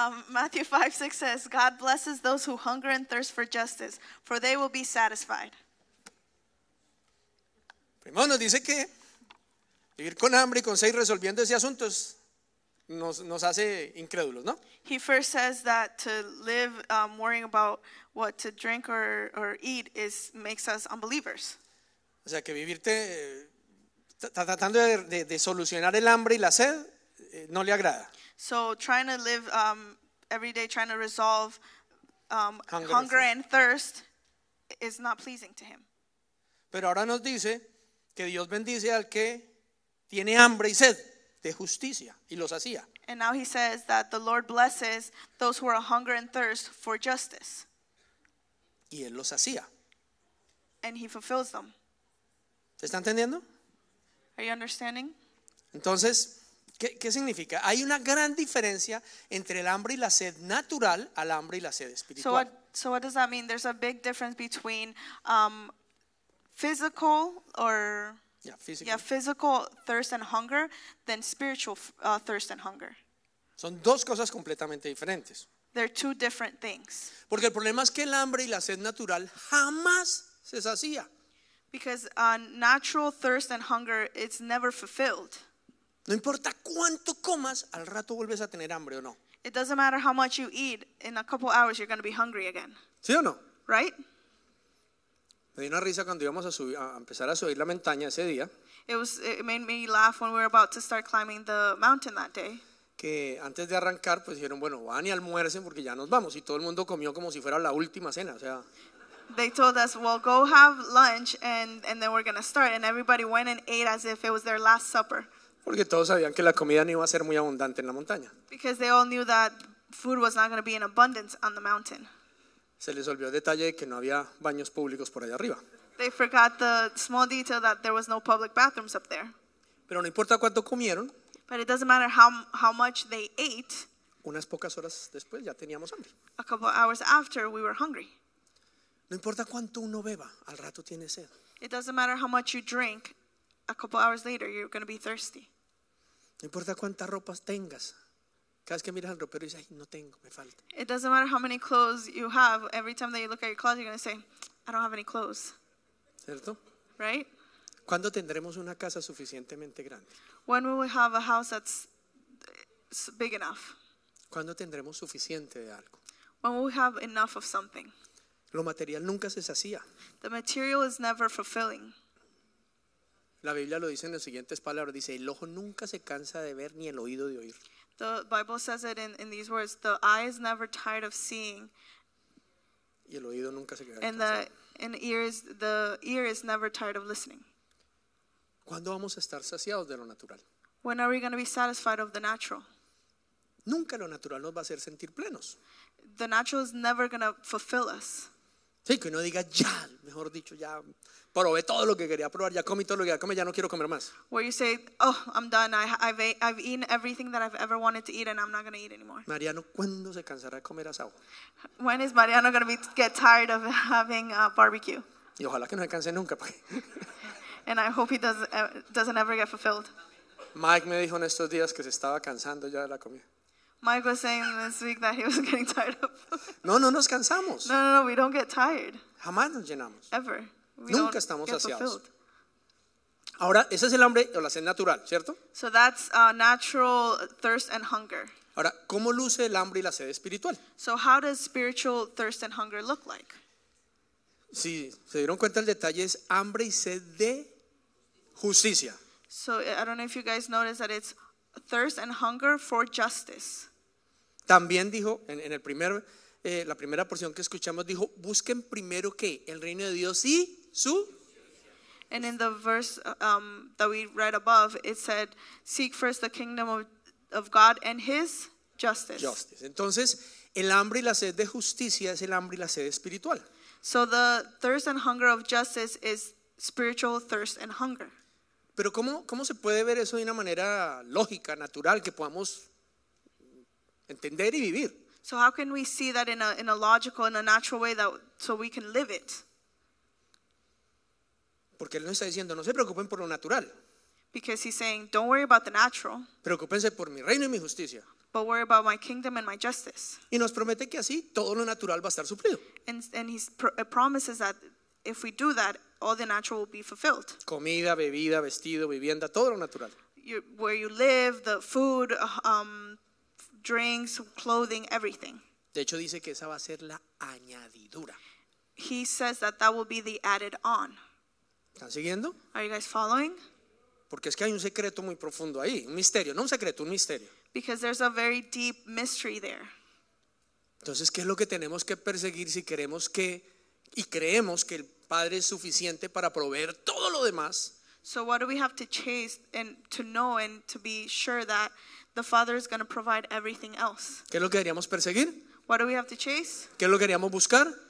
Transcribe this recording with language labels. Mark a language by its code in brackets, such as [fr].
[en] Matthew 5, 6 says, God blesses those who hunger and thirst for justice, for they will be satisfied. [es] Primero nos dice que vivir con hambre y con sed resolviendo ese asunto es, nos hace incrédulos, ¿no? [en] He first says that to live worrying about what to drink or eat is makes us unbelievers. [es] O sea, que vivirte tratando de solucionar el hambre y la sed no le agrada. [en] So trying to live every day trying to resolve hunger and thirst is not pleasing to him. [es] Pero ahora nos dice que Dios bendice al que tiene hambre y sed de justicia y los hacía. [en] And now he says that the Lord blesses those who are hunger and thirst for justice. [es] Y Él los hacía. [en] And He fulfills them. [es] ¿Se está entendiendo? [en] Are you understanding? [es] Entonces, ¿qué significa? Hay una gran diferencia entre el hambre y la sed natural al hambre y la sed espiritual. [en] So what does that mean? There's a big difference between physical or physical thirst and hunger than spiritual thirst and hunger. [es] Son dos cosas completamente diferentes. [en] They're two different things. [es] Porque el problema es que el hambre y la sed natural jamás se sacía. [en] Because natural thirst and hunger, it's never fulfilled. [es] No importa cuánto comas, al rato vuelves a tener hambre o no. [en] It doesn't matter how much you eat, in a couple hours you're going to be hungry again. [es] ¿Sí o no? [en] Right? [es] Me dio una risa cuando íbamos a empezar a subir la montaña ese día. [en] It made me laugh when we were about to start climbing the mountain that day. [es] Que antes de arrancar, pues dijeron, bueno, van y almuercen porque ya nos vamos. Y todo el mundo comió como si fuera la última cena, o sea. [en] They told us, well, go have lunch and then we're going to start. And everybody went and ate as if it was their last supper. [es] Porque todos sabían que la comida no iba a ser muy abundante en la montaña. [en] Because they all knew that food was not going to be in abundance on the mountain. [es] Se les olvidó el detalle de que no había baños públicos por allá arriba. [en] They forgot the small detail that there was no public bathrooms up there. [es] Pero no importa cuánto comieron. [en] But it doesn't matter how much they ate. [es] Unas pocas horas después ya teníamos hambre. [en] A couple hours after we were hungry. [es] No importa cuánto uno beba, al rato tiene sed. [en] It doesn't matter how much you drink. A couple hours later you're going to be thirsty. [es] No importa cuántas ropas tengas. Cada vez que miras al ropero dices, ay, no tengo, me falta. [en] It doesn't matter how many clothes you have. Every time that you look at your closet, you're going to say, I don't have any clothes. [es] ¿Cierto? [en] Right? [es] ¿Cuándo tendremos una casa suficientemente grande? [en] When will we have a house that's big enough? [es] ¿Cuándo tendremos suficiente de algo? [en] When will we have enough of something? [es] Lo material nunca se sacía. [en] The material is never fulfilling. [es] La Biblia lo dice en las siguientes palabras. Dice, el ojo nunca se cansa de ver ni el oído de oír. [en] The Bible says it in these words, the eye is never tired of seeing [es] Y el oído nunca se queda cansado. [en] The ear is never tired of listening. [es] ¿Cuándo vamos a estar saciados de lo natural? [en] When are we going to be satisfied of the natural? [es] Nunca lo natural nos va a hacer sentir plenos. [en] The natural is never going to fulfill us. [es] Sí, que uno diga ya, mejor dicho, ya probé todo lo que quería probar, ya comí todo lo que quería comer, ya no quiero comer más. [en] Where you say, oh, I'm done, I've eaten everything that I've ever wanted to eat and I'm not going to eat anymore. [es] Mariano, ¿cuándo se cansará de comer asado? [en] When is Mariano going to get tired of having a barbecue? [es] Y ojalá que no se canse nunca. [en] And I hope he doesn't ever get fulfilled. [es] Mike me dijo en estos días que se estaba cansando ya de la comida. [en] Mike was saying this week that he was getting tired of. [es] No, no nos cansamos. [en] No, we don't get tired. [es] Jamás nos llenamos. [en] Ever. [es] Nunca estamos saciados. Ahora, ese es el hambre o la sed natural, ¿cierto? [en] So that's natural thirst and hunger. [es] Ahora, ¿cómo luce el hambre y la sed espiritual? [en] So how does spiritual thirst and hunger look like? [es] Sí, se dieron cuenta el detalle es hambre y sed de justicia. [en] So I don't know if you guys noticed that it's thirst and hunger for justice. [es] También dijo en el primer la primera porción que escuchamos dijo busquen primero qué el reino de Dios y su. [en] And in the verse that we read above, it said, "Seek first the kingdom of God and His justice." Justice. [es] Entonces, el hambre y la sed de justicia es el hambre y la sed espiritual. [en] So the thirst and hunger of justice is spiritual thirst and hunger. [es] Pero ¿cómo se puede ver eso de una manera lógica, natural, que podamos entender y vivir? [en] So how can we see that in a logical, in a natural way, that so we can live it? [es] Porque él nos está diciendo, no se preocupen por lo natural. [en] Because he's saying, don't worry about the natural. [es] Preocúpense por mi reino y mi justicia. [en] But worry about my kingdom and my justice. [es] Y nos promete que así todo lo natural va a estar suplido. [en] And he promises that if we do that, all the natural will be fulfilled. [es] Comida, bebida, vestido, vivienda, todo lo natural. [en] Where you live, the food, drinks, clothing, everything. [es] De hecho, dice que esa va a ser la añadidura. [en] He says that will be the added on. [es] ¿Están siguiendo? [en] Are you guys following? [es] Porque es que hay un secreto muy profundo ahí, un misterio, no un secreto, un misterio. [en] Because there's a very deep mystery there. [es] Entonces, ¿qué es lo que tenemos que perseguir si queremos que y creemos que el Padre es suficiente para proveer todo lo demás? [en] So what do we have to chase and to know and to be sure that the Father is going to provide everything else? [es] ¿Qué es lo que deberíamos perseguir? [en] What do we have to chase? [es] ¿Qué es lo que deberíamos buscar?